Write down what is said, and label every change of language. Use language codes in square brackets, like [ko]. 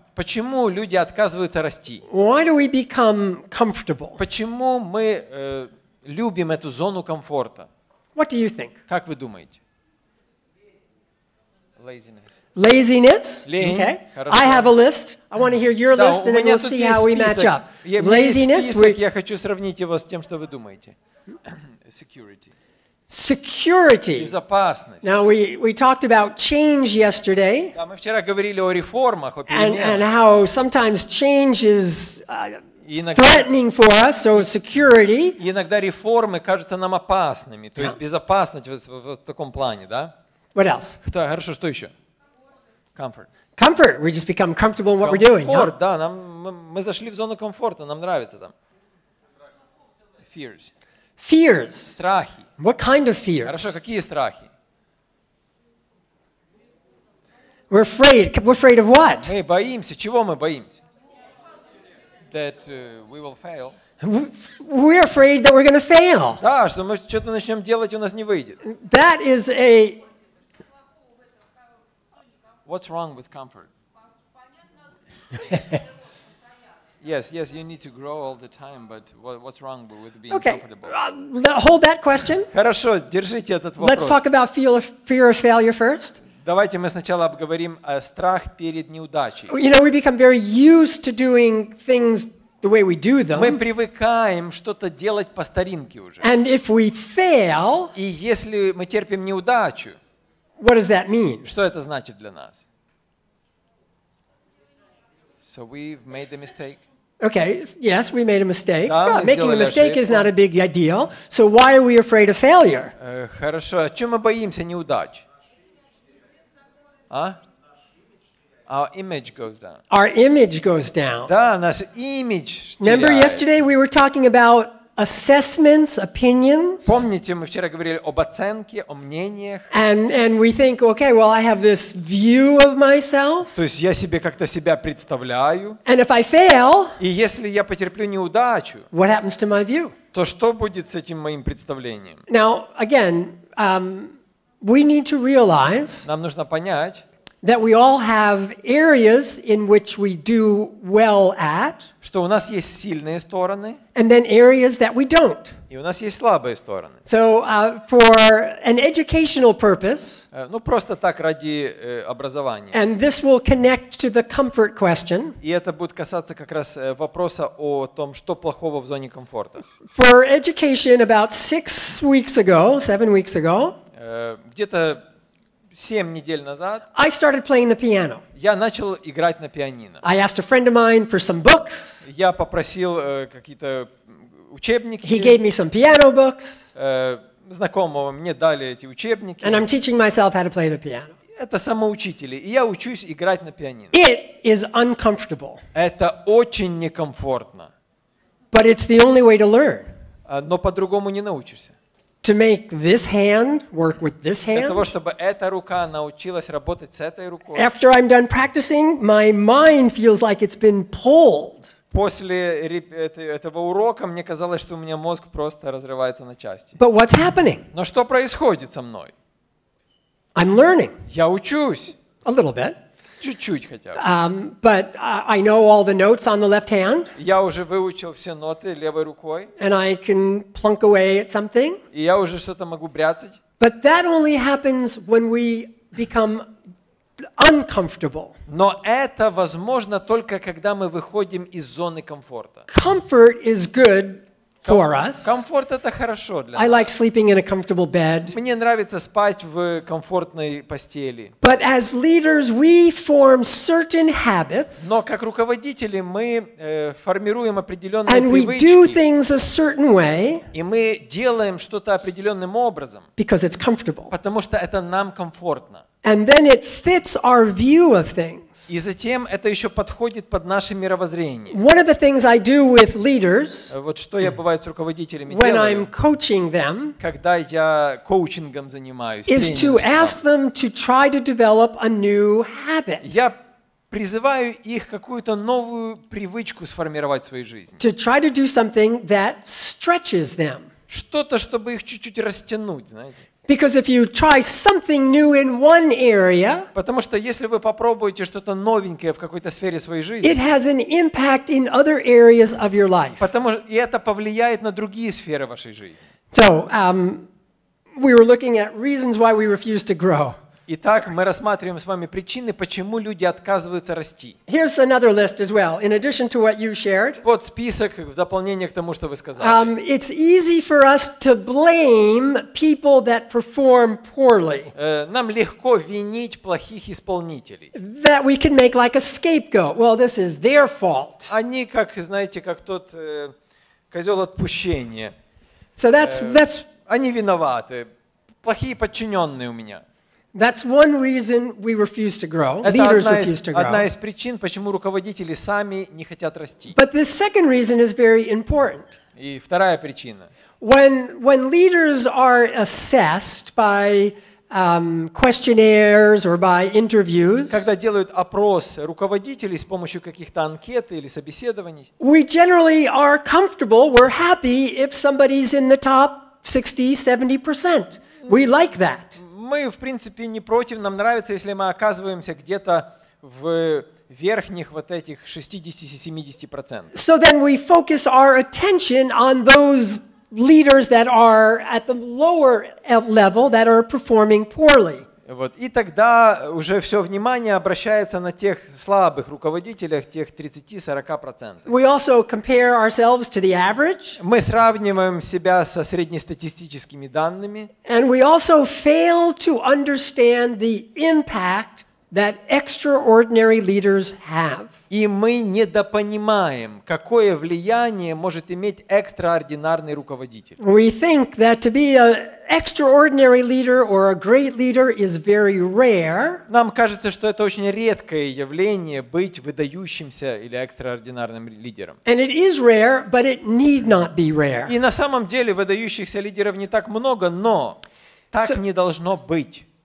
[ru] Почему люди отказываются расти? [en] Why do we become comfortable? [ru] Почему мы любим эту зону комфорта? [en] What do you think? [ru] Как вы думаете? [en] Laziness. Laziness? [ru] Лень. [en] Okay. [ru] Хорошо. [en] I have a list. I want to hear your list, [ru] да, [en] and then we'll see how we match up. Laziness. [ru] Список, я хочу сравнить его с тем, что вы думаете. [en] Security. Security. [ru] Безопасность. [en] Now we talked about change yesterday. [ru] Да, мы вчера говорили о реформах, о переменах. [en] And how sometimes change is threatening for us, so security. [ru] Иногда реформы кажутся нам опасными, то есть безопасность в таком плане, да? [en] What else? [ru] Да, хорошо, что еще? [en] Comfort. Comfort. We just become comfortable in what comfort, we're doing. [ru] Комфорт, да, нам мы зашли в зону комфорта, нам нравится там. [en] Fears. Fears. [ru] Страхи. [en] What kind of fears? [ru] Хорошо, какие страхи? [en] We're afraid. We're afraid of what? [ru] Мы боимся. Чего мы боимся? [en] That we will fail. We're afraid that we're going to fail. [ru] Да, что мы что-то начнем делать, у нас не выйдет. [en] That is a. What's wrong with comfort? Yes, yes, you need to grow all the time, but what's wrong with being okay. comfortable? Okay, hold that question. [ru] Хорошо, держите этот вопрос. [en] Let's talk about fear of failure first. [ru] Давайте мы сначала обговорим о страх перед неудачей. [en] You know, we become very used to doing things the way we do them. [ru] Мы привыкаем что-то делать по старинке уже. [en] And if we fail, [ru] и если мы терпим неудачу, [en] what does that mean? [ru] Что это значит для нас? [en] So we've made a mistake. Okay, yes, we made a mistake. [ru] Да, [en] but making a mistake [ru] ошибку. [en] Is not a big deal. So why are we afraid of failure? [ru] Хорошо, а чем мы боимся неудач? [en] Our image goes down. Our image goes down. [ru] Да, наш имидж теряется. [en] Remember yesterday we were talking about assessments, opinions. [ru] Помните, мы вчера говорили об оценке, о мнениях. [en] And we think, okay, well, I have this view of myself. [ru] То есть я себе как-то себя представляю. [en] And if I fail, [ru] и если я потерплю неудачу, [en] what happens to my view? [ru] То что будет с этим моим представлением? [en] Now again, we need to realize [ru] нам нужно понять, [en] that we all have areas in which we do well at, [ru] что у нас есть сильные стороны, [en] and then areas that we don't. [ru] И у нас есть слабые стороны. [en] So, for an educational purpose, [ru] ну просто так ради образования. [en] And this will connect to the comfort question. [ru] И это будет касаться как раз вопроса о том, что плохого в зоне комфорта. [en] For education, about 6 weeks ago, 7 weeks ago. [ru] Где-то 7 недель назад [en] I started playing the piano. [ru] Я начал играть на пианино. [en] I asked a friend of mine for some books. [ru] Я попросил какие-то учебники. [en] He gave me some piano books. [ru] Знакомого мне дали эти учебники. [en] And I'm teaching myself how to play the piano. [ru] Это самоучители, и я учусь играть на пианино. [en] It is uncomfortable. [ru] Это очень некомфортно. [en] But it's the only way to learn. [ru] Но по-другому не научишься. [en] To make this hand work with this hand. [ru] Для того, чтобы эта рука научилась работать с этой рукой. [en] After I'm done practicing, my mind feels like it's been pulled. [ru] После этого урока мне казалось, что у меня мозг просто разрывается на части. [en] But what's happening? [ru] Но что происходит со мной? [en] I'm learning. [ru] Я учусь. [en] A little bit. [ru] Чуть-чуть хотя бы. [en] But I know all the notes on the left hand. [ru] Я уже выучил все ноты левой рукой. [en] And I can plunk away at something. [ru] И я уже что-то могу бряцать. [en] But that only happens when we become uncomfortable. [ru] Но это возможно только когда мы выходим из зоны комфорта. [en] Comfort is good for us. [ru] Комфорт это хорошо для нас. [en] I like sleeping in a comfortable bed. [ru] Мне нравится спать в комфортной постели. [en] But as leaders, we form certain habits. [ru] Но как руководители мы формируем определенные [en] and [ru] привычки. [en] And we do things a certain way. [ru] И мы делаем что-то определенным образом. [en] Because it's comfortable. [ru] Потому что это нам комфортно. [en] And then it fits our view of things. [ru] И затем это еще подходит под наше мировоззрение. [en] One of the things I do with leaders, [ru] вот что я бываю с руководителями [en] when [ru] делаю, [en] I'm coaching them, [ru] когда я коучингом занимаюсь, [en] is to ask them to try to develop a new habit. [ru] Я призываю их какую-то новую привычку сформировать в своей жизни. [en] To try to do something that stretches them. [ru] Что-то, чтобы их чуть-чуть растянуть, знаете. [en] Because if you try something new in one area, [ru] потому что если вы попробуете что-то новенькое в какой-то сфере своей жизни, [en] it has an impact in other areas of your life. [ru] Потому что и это повлияет на другие сферы вашей жизни. [en] So, we were looking at reasons why we refuse to grow. [ru] Итак, мы рассматриваем с вами причины, почему люди отказываются расти. [en] Here's another list as well, in addition to what you shared. [ru] Вот список в дополнение к тому, что вы сказали. [en] It's easy for us to blame people that perform poorly. [ru] Нам легко винить плохих исполнителей. [en] That we can make like a scapegoat. Well, this is their fault. [ru] Они как, знаете, как тот козел отпущения. [en] So that's [ru] они виноваты. Плохие подчиненные у меня. [en] That's one reason we refuse to grow. Leaders refuse to grow. [ru] Одна из причин, почему руководители сами не хотят расти. [en] But the second reason is very important. [ru] И вторая причина. [en] When leaders are assessed by questionnaires or by interviews, [ru] когда делают опрос руководителей с помощью каких-то анкет или собеседований, [en] we generally are comfortable, we're happy if somebody's in the top 60-70%. We like that. [ru] Мы, в принципе, не против, нам нравится, если мы оказываемся где-то в верхних вот этих 60-70%. [en] So then we focus our attention on those leaders that are at the lower level, that are performing poorly. [ru] Вот. И тогда уже все внимание обращается на тех слабых руководителях, тех 30-40%. [en] We also compare ourselves to the average. [ru] Мы сравниваем себя со среднестатистическими данными. [en] And we also fail to understand the impact that extraordinary leaders have. [ru] И мы недопонимаем, какое влияние может иметь экстраординарный руководитель. [en] We think that to be an extraordinary leader or a great leader is very rare. [ru] Нам кажется, что это очень редкое явление быть выдающимся или экстраординарным лидером. [en] And it is rare, but it need not be rare. [ru] И на самом деле выдающихся лидеров не так много, но так не должно быть.